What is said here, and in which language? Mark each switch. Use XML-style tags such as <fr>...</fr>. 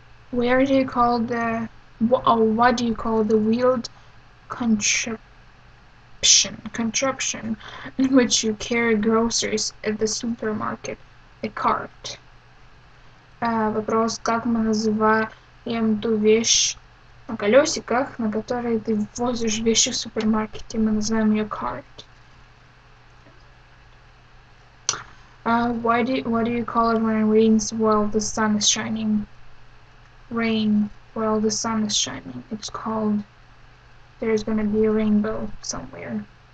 <en>Where do you call the what do you call the wheeled contraption in which you carry groceries at the supermarket? A cart.</en> <ru>Вопрос, как мы называем ту вещь на колесиках, на которой ты ввозишь вещи в супермаркете, мы называем ее cart.</ru> <en>What do you call it when it rains while the sun is shining? Rain while the sun is shining. It's called, there's gonna be a rainbow somewhere.</en>